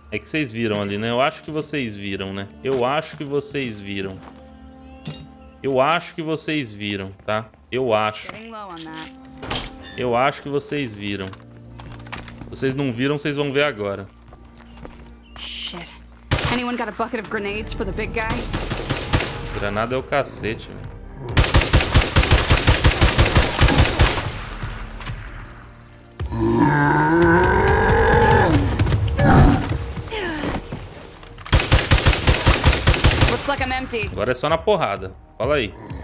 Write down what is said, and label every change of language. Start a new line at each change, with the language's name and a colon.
Portuguese: É que vocês viram ali, né? Eu acho que vocês viram, né? Eu acho que vocês viram. Eu acho que vocês viram, tá? Eu acho. Eu acho que vocês viram. Vocês não viram, vocês vão ver agora.
English: Shit. Anyone got a bucket of grenades for the big guy?
Portuguese: Granada é o cacete, velho. Agora é só na porrada. Fala aí.